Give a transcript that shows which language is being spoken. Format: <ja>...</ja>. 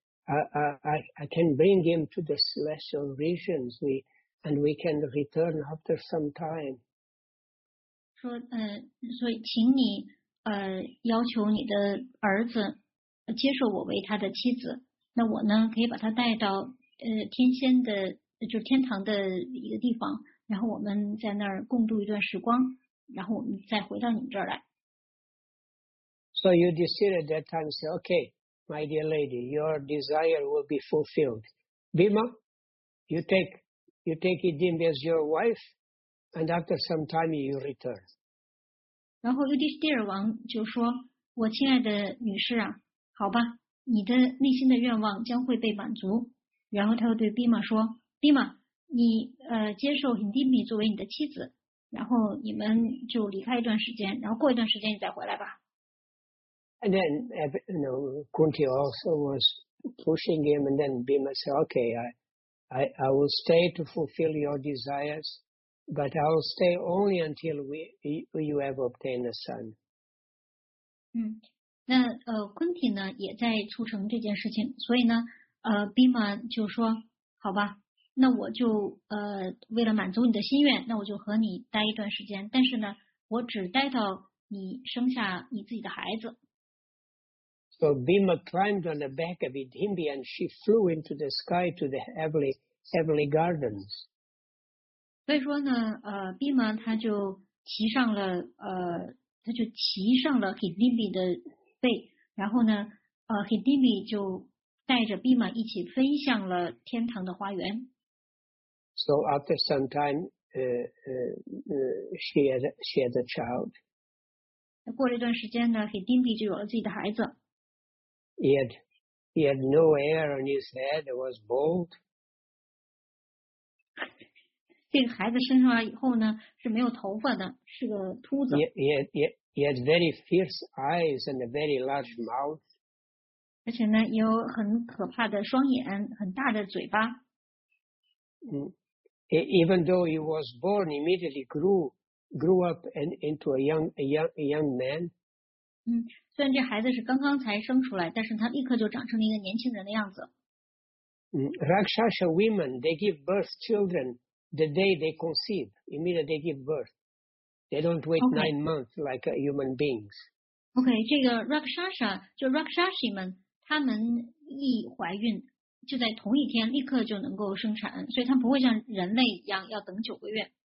<en>I can bring him to the celestial regions. We can return after some time.</en> <zh>说所以请你要求你的儿子接受我为他的妻子。那我呢可以把他带到天仙的就是天堂的一个地方，然后我们在那儿共度一段时光。然后我们再回到你这儿来。</zh> <en>So you decided that time to say, okay, my dear lady, your desire will be fulfilled. Bhima, you take Hidimbi as your wife, and after some time you return.</en> <zh>然后 Yudhishthira 王就说：“我亲爱的女士啊，好吧，你的内心的愿望将会被满足。” 然后他又对 Bhima 说 ：“Bhima， 你接受 Hidimbi 作为你的妻子。” 然后你们就离开一段时间，然后过一段时间你再回来吧。</zh> <en>And then, you know, Kunti also was pushing him, and then Bhima said, "Okay, I will stay to fulfill your desires, but I will stay only until you have obtained a son."</en> <zh>那Kunti 呢也在促成这件事情，所以呢，Bhima 就说，好吧。那我就为了满足你的心愿，那我就和你待一段时间，但是呢，我只待到你生下你自己的孩子。</zh> <en>So Bhima climbed on the back of Hidimbi and she flew into the sky to the heavenly heavenly gardens.</en> <zh>所以说呢，毕马他就骑上了，他就骑上了 Hidimbi 的背，然后呢，Hidimbi 就带着毕马一起飞向了天堂的花园。</zh> <en>So after some time, she had a child.</en> <zh>过了一段时间呢 ，Hidimbi 就有了自己的孩子。</zh> <en>He had no hair on his head. It was bald.</en> <zh>这个孩子生出来以后呢，是没有头发的，是个秃子。</zh> <en>He had very fierce eyes and a very large mouth.</en> <zh>而且呢，有很可怕的双眼，很大的嘴巴。</zh> <en>Even though he was born, immediately grew up and into a young man.</en> <zh>虽然这孩子是刚刚才生出来，但是他立刻就长成了一个年轻人的样子。</zh> <en>Rakshasa women, they give birth children the day they conceive, immediately they give birth. They don't wait nine months like human beings.</en> <zh>Okay, 这个 Rakshasa, 就 Rakshasi 们，他们一怀孕就在同一天立刻就能够生产，所以他不会像人类一样要等九个月。</zh>